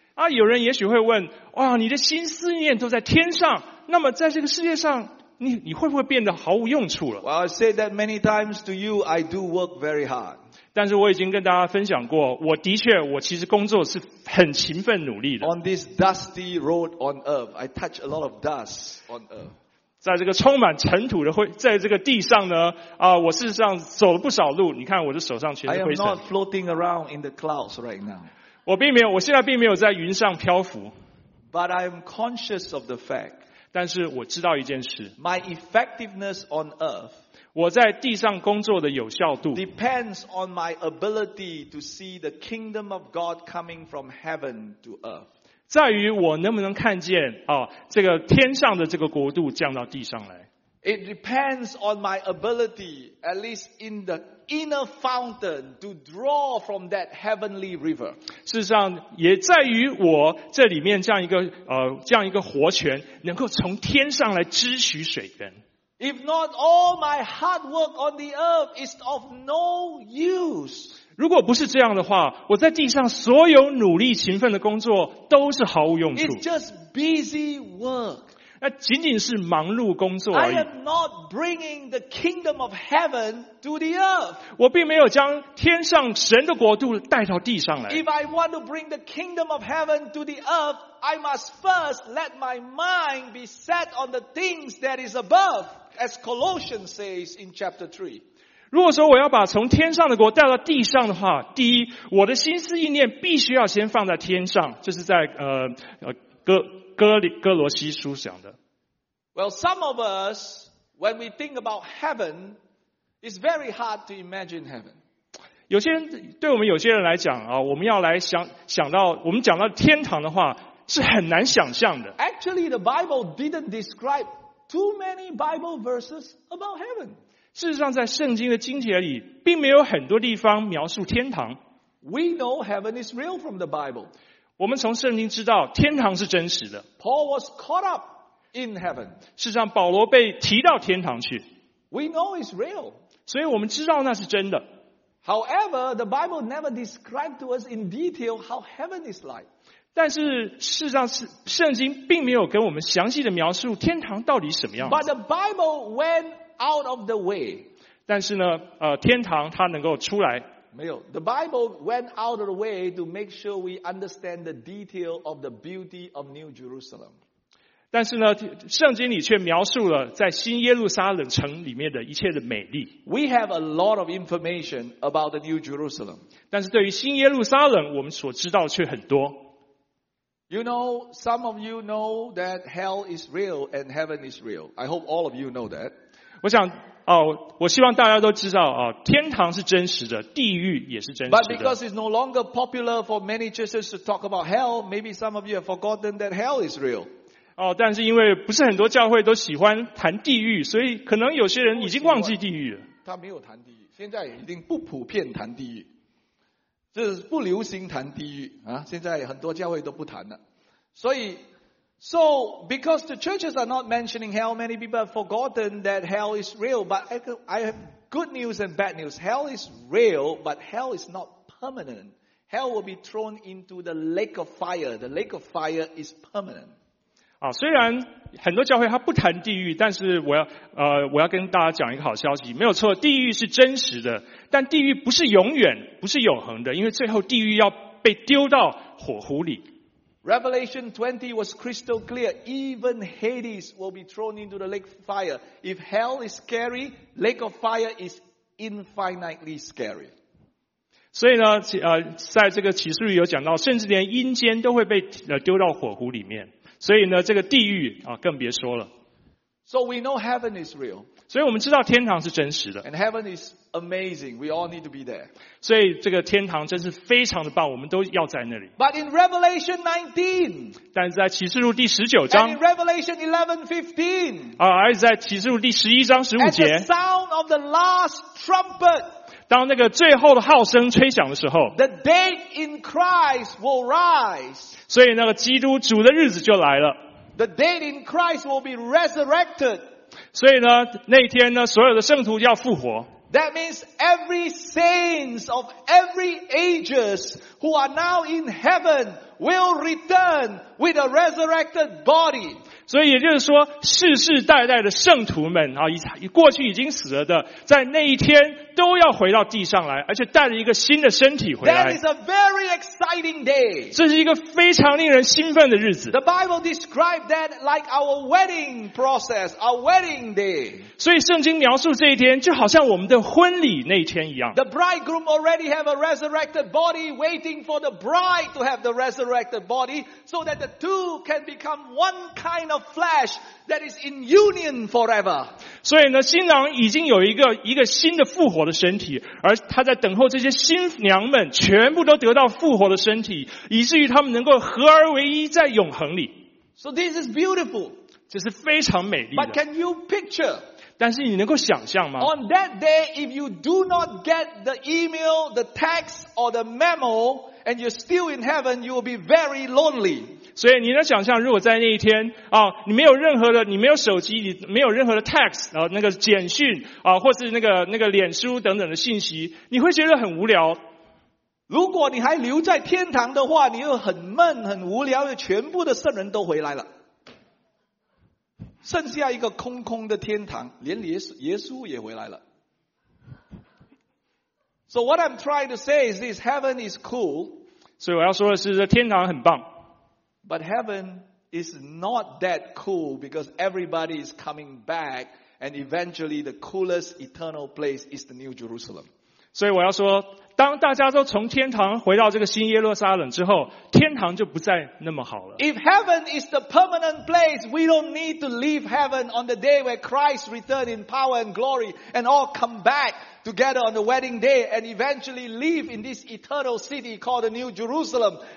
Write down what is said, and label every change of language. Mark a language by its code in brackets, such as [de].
[zh] 有人也许会问，哇，你的心思意念都在天上，那么在这个世界上，你会不会变得毫无用处了 [en] ？Well, I said that many times to you. I do work very hard. [zh] 但是我已经跟大家分享过，我的确，我其实工作是很勤奋努力的。 [en] On this dusty road on earth, I touch a lot of dust on earth. [zh] 在这个充满尘土的灰，在这个地上呢，我事实上走了不少路。你看我的手上全是灰尘。 [en] I am not floating around in the clouds right now. [zh] 我并没有，我现在并没有在云上漂浮。 [en] But I am conscious of the fact. [zh] 但是我知道一件事。 [en] My effectiveness on earth. [zh] 我在地上工作的有效度 [en] depends on my ability to see the kingdom of God coming from heaven to earth. [zh] 在于我能不能看见这个天上的这个国度降到地上来。 [en] It depends on my ability, at least in the inner fountain, to draw from that heavenly river. [zh] 事实上，也在于我这里面这样一个活泉，能够从天上来支取水源。 [en] If not, all my hard work on the earth is of no use. [zh] 如果不是这样的话，我在地上所有努力勤奋的工作都是毫无用处。 [en] It's just busy work. [zh] 那仅仅是忙碌工作而已。 [en] I am not bringing the kingdom of heaven to the earth. [zh] 我并没有将天上神的国度带到地上来。 [en] If I want to bring the kingdom of heaven to the earth, I must first let my mind be set on the things that is above, as Colossians says in chapter 3. [zh] 如果说我要把从天上的国带到地上的话，第一，我的心思意念必须要先放在天上，这是在哥罗西书讲的。 [en] Well, some of us, when we think about heaven, it's very hard to imagine heaven. [zh] 有些人对我们有些人来讲啊，我们要来想到我们讲到天堂的话，是很难想象的。 [en] Actually, the Bible didn't describe too many Bible verses about heaven. [zh] 事实上在圣经的经节里并没有很多地方描述天堂。 [en] We know heaven is real from the Bible. [zh] 我们从圣经知道天堂是真实的。 [en] Paul was caught up in heaven. [zh] 事实上保罗被提到天堂去。 [en] We know it's real. [zh] 所以我们知道那是真的。 [en] However, the Bible never described to us in detail how heaven is like. [zh] 但是事实上是圣经并没有跟我们详细的描述天堂到底什么样子。 [en] But the Bible went out of the way. [zh] 但是呢，天堂它能够出来。没有。 [en] The Bible went out of the way to make sure we understand the detail of the beauty of New Jerusalem. [zh] 但是呢，圣经里却描述了在新耶路撒冷城里面的一切的美丽。 [en] We have a lot of information about the New Jerusalem. [zh] 但是对于新耶路撒冷，我们所知道却很多。 [en] You know, some of you know that hell is real and heaven is real. I hope all of you know that. [zh] 我想，我希望大家都知道，天堂是真实的，地狱也是真实的。 [en] But because it's no longer popular for many churches to talk about hell, maybe some of you have forgotten that hell is real. [zh] 但是因为不是很多教会都喜欢谈地狱，所以可能有些人已经忘记地狱了。他没有谈地狱，现在已经不普遍谈地狱。这是不流行谈地狱啊！现在很多教会都不谈了。 [en] So because the churches are not mentioning hell, many people have forgotten that hell is real. But I have good news and bad news. Hell is real, but hell is not permanent. Hell will be thrown into the lake of fire. The lake of fire is permanent. [zh] 虽然很多教会他不谈地狱，但是我要跟大家讲一个好消息，没有错，地狱是真实的。但地狱不是永远，不是永恒的，因为最后地狱要被丢到火湖里。 [en] Revelation 20 was crystal clear. Even Hades will be thrown into the lake of fire. If hell is scary, lake of fire is infinitely scary. [zh] 所以呢，在这个启示录有讲到，甚至连阴间都会被丢到火湖里面。所以呢，这个地狱更别说了。 [en] So we know heaven is real. [zh] 所以我们知道天堂是真实的。 [en] And heaven is amazing. We all need to be there. [zh] 所以这个天堂真是非常的棒，我们都要在那里。 [en] But in Revelation 19, [zh] 但是在启示录第十九章。 [en] And in Revelation 11:15, [zh] 还是在启示录第十一章十五节。 [en] At the sound of the last trumpet, [zh] 当那个最后的号声吹响的时候。 [en] The dead in Christ will rise. [zh] 所以那个基督主的日子就来了。 [en] The dead in Christ will be resurrected. [zh] 所以呢，那天呢，所有的圣徒要复活。 [en] That means every saints of every ages who are now in heaven will return with a resurrected body. [zh] 所以也就是说，世世代代的圣徒们啊，过去已经死了的，在那一天都要回到地上来，而且带着一个新的身体回来。 [en] That is a very exciting day. [zh] 这是一个非常令人兴奋的日子。 [en] The Bible described that like our wedding process, our wedding day. [zh] 所以圣经描述这一天就好像我们的婚礼那一天一样。 [en] The bridegroom already have a resurrected body waiting for the bride to have the resurrected body so that the two can become one kind of flesh that is in union forever. [zh] 所以呢，新郎已经有一个新的复活。复活的身体，而他在等候这些新娘们全部都得到复活的身体，以至于他们能够合而为一在永恒里。 [en] So this is beautiful. [zh] 这是非常美丽的。 [en] But can you picture? [zh] 但是你能够想象吗 [en] ？On that day, if you do not get the email, the text, or the memo, and you're still in heaven, you will be very lonely. [zh] 所以你能想象，如果在那一天啊，你没有任何的，你没有手机，你没有任何的 text 啊，那个简讯啊，或是那个脸书等等的信息，你会觉得很无聊。如果你还留在天堂的话，你又很闷、很无聊，全部的圣人都回来了。剩下一个空空的天堂，连耶稣也回来了。 [en] So what I'm trying to say is this: heaven is cool. [zh] 所以我要说的是，这天堂很棒。 [en] But heaven is not that cool because everybody is coming back, and eventually the coolest eternal place is the New Jerusalem. [zh] 所以我要说，当大家都从天堂回到这个新耶路撒冷之后，天堂就不再那么好了。 [en] If heaven is the permanent place, we don't need to leave heaven on the day where Christ returns in power and glory and all come back together on the wedding day and eventually live in this eternal city called the New Jerusalem.